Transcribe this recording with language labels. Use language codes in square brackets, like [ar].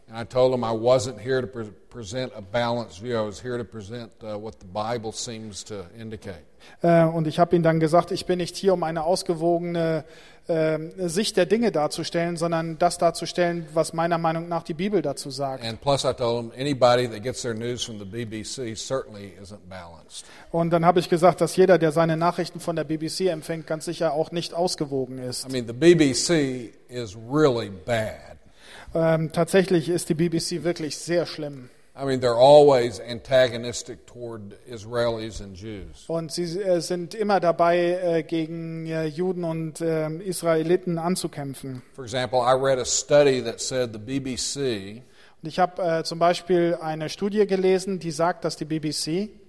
[en] And I told them I wasn't here to present a balanced view. I was here to present what the Bible seems to indicate. [de] Und ich habe ihnen dann gesagt, ich bin nicht hier, um eine ausgewogene Sicht der Dinge darzustellen, sondern das darzustellen, was meiner Meinung nach die Bibel dazu sagt. [en] And plus I told them, anybody that gets their news from the BBC certainly isn't balanced. [de] Und dann habe ich gesagt, dass jeder, der seine Nachrichten von der BBC empfängt, ganz sicher auch nicht ausgewogen ist. [en] I mean, the BBC is really bad. [de] Tatsächlich ist die BBC wirklich sehr schlimm. [en] I mean, they're always antagonistic toward Israelis and Jews. [de] Und sie sind immer dabei, gegen Juden und Israeliten anzukämpfen. [en] For example, I read a study that said the BBC. [de] Und ich habe zum Beispiel eine Studie gelesen, die sagt, dass die BBC